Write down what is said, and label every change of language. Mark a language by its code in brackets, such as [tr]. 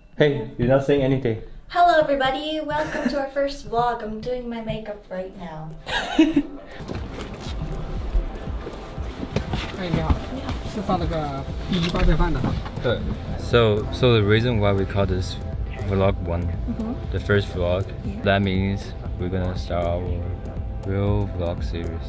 [en] Hey, you're not saying anything. Hello, everybody. Welcome to our first vlog. I'm doing my makeup right now. Hey, [zh] 你好。是放那个第一八点半的哈。对。 [en] So the reason why we call this vlog one, the first vlog, that means we're gonna start our real vlog series.